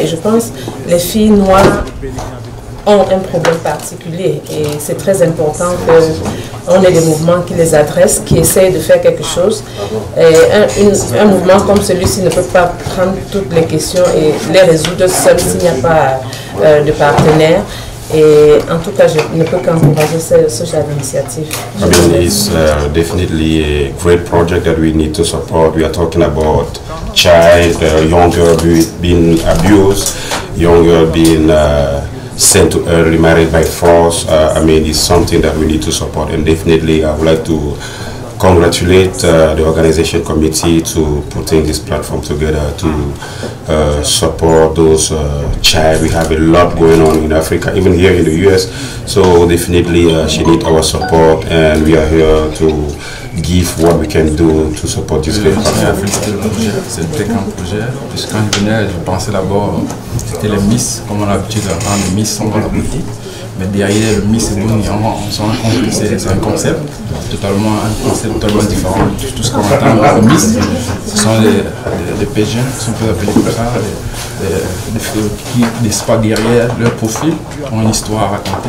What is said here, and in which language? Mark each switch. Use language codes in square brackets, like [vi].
[fr] Et je pense que les filles noires ont un problème particulier et c'est très important qu'on ait des mouvements qui les adressent, qui essayent de faire quelque chose. Et un mouvement comme celui-ci ne peut pas prendre toutes les questions et les résoudre seul s'il n'y a pas de partenaire. Et en tout cas, je ne peux qu'encourager ce genre d'initiative. [en] It's definitely a great project that we need to support. We are talking about child, young girl being abused, young girl being sent to early marriage by force. I mean, it's something that we need to support. And definitely, I would like to congratulate the organization committee to putting this platform together to support those child. We have a lot going on in Africa, even here in the US. So definitely, she needs our support, and we are here to give what we can do to support this great project. [fr] C'était qu'un projet. Puis quand je venais, je pensais d'abord c'était les Miss, comme on a l'habitude, hein, les Miss sont dans la boutique. Mais derrière le Miss et Bonnie, on s'en rend compte que c'est un concept totalement différent de tout ce qu'on entend dans le Miss. Ce sont les pigeons, si on peut appeler comme ça, qui n'est pas derrière leur profil, ont une histoire à raconter.